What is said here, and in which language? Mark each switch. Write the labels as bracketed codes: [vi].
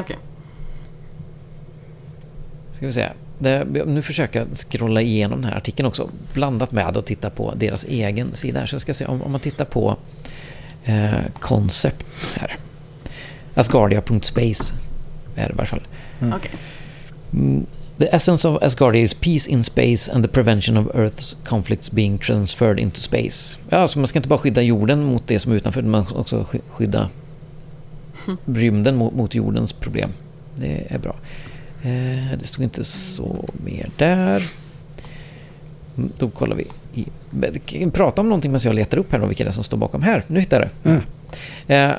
[sv] Okay. Ska vi se. Det, nu försöker jag scrolla igenom den här artikeln också, blandat med att titta på deras egen sida här. Så jag ska se om man tittar på concept här. Asgardia.space är det i varje fall. [en] The essence of Asgardia is peace in space and the prevention of Earth's conflicts being transferred into space. [sv] Ja, så man ska inte bara skydda jorden mot det som är utanför, utan man ska också skydda rymden mot jordens problem. Det är bra. Det stod inte så mer där. Då kollar vi. Prata om någonting medan jag letar upp här då, vilka det är som står bakom här. Nu hittar jag det.